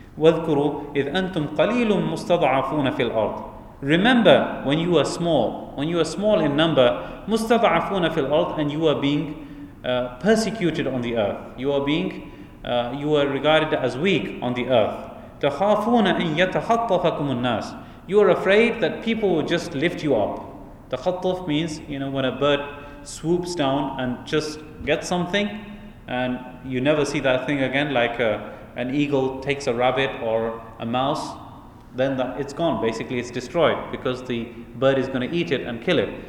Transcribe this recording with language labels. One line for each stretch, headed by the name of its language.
Arabic: وَذْكُرُوا إِذْ أَنْتُمْ قَلِيلٌ مُسْتَضَعَفُونَ فِي الْأَرْضِ.
English: Remember when you were small, in number,
Arabic: مُسْتَضَعَفُونَ فِي الْأَرْضِ,
English: and you were being persecuted on the earth. You were regarded as weak on the earth.
Arabic: تَخَافُونَ أَنْ يَتَخَطَّفَكُمُ النَّاسِ.
English: You are afraid that people will just lift you up. Takhattuf means, when a bird swoops down and just gets something and you never see that thing again, like an eagle takes a rabbit or a mouse, then it's gone. Basically, it's destroyed because the bird is going to eat it and kill it.